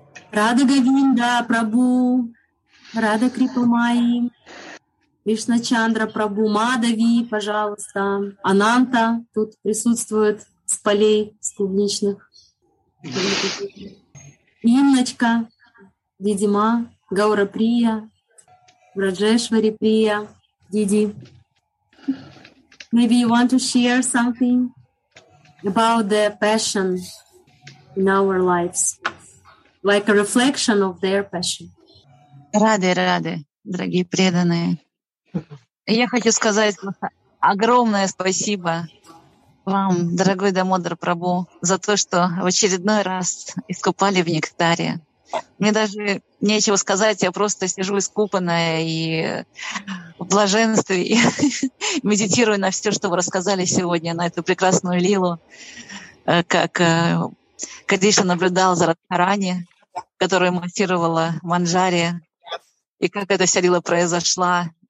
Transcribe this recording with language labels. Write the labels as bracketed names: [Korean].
[Russian] Рада Гавинда Прабу, Рада Крипа Майи, Вишна Чандра Прабу, Мадави, пожалуйста, Ананта тут присутствует с полей, с клубничных. Инночка, Дидима, Гаура Прия, Враджешвари Прия, Диди. [English] Maybe you want to share something about the passion in our lives, like a reflection of their passion. [Russian] Рады, рады, дорогие преданные. Я хочу сказать огромное спасибо вам, дорогой Дамодар Прабху, за то, что в очередной раз искупали в нектаре. Мне даже нечего сказать, я просто сижу искупанная и в блаженстве, и медитирую на все, что вы рассказали сегодня, на эту прекрасную лилу, как Кадиша наблюдал за Радхарани, которая массировала Манджари, и как эта вся лила произошла.